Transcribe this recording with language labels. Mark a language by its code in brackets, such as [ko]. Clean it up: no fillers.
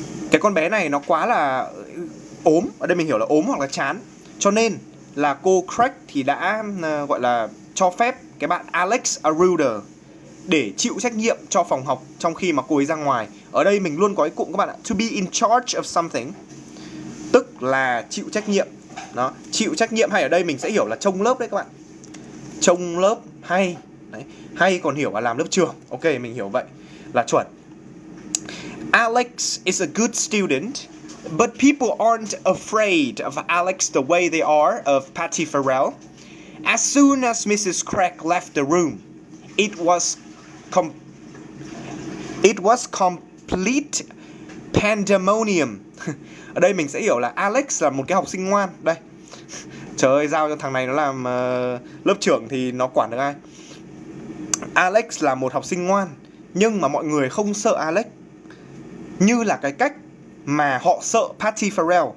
[vi] Cái con bé này nó quá là ốm, ở đây mình hiểu là ốm hoặc là chán, cho nên là cô Craig thì đã gọi là cho phép cái bạn Alex Aruda để chịu trách nhiệm cho phòng học trong khi mà cô ấy ra ngoài. Ở đây mình luôn có cái cụm các bạn ạ, [en] to be in charge of something, [vi] tức là chịu trách nhiệm. Đó, chịu trách nhiệm hay ở đây mình sẽ hiểu là trông lớp đấy các bạn. Trông lớp hay đấy, hay còn hiểu là làm lớp trưởng. Ok, mình hiểu vậy là chuẩn. [en] Alex is a good student, but people aren't afraid of Alex the way they are of Patty Farrell. As soon as Mrs. Craig left the room, it was complete pandemonium. [vi] Ở đây mình sẽ hiểu là Alex là một cái học sinh ngoan đây. Trời ơi, giao cho thằng này nó làm lớp trưởng thì nó quản được ai. Alex là một học sinh ngoan, nhưng mà mọi người không sợ Alex như là cái cách mà họ sợ Patty Farrell.